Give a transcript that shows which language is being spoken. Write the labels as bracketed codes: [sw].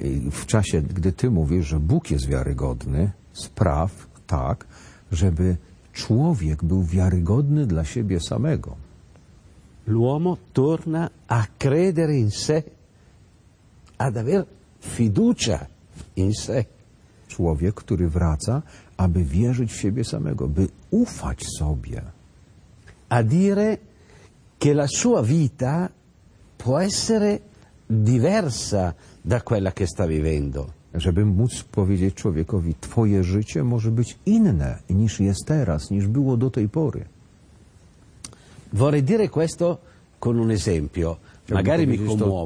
[pl] W czasie, gdy ty mówisz, że Bóg jest wiarygodny, spraw tak, żeby człowiek był wiarygodny dla siebie samego. [it] L'uomo torna a credere in sé, ad aver fiducia in sé. [pl] Człowiek, który wraca, aby wierzyć w siebie samego, by ufać sobie. [it] A dire che la sua vita può essere diversa da quella che sta vivendo. [pl] Żeby móc powiedzieć człowiekowi, twoje życie może być inne niż jest teraz, niż było do tej pory. [it] Vorrei dire questo con un esempio, magari mi commuovo.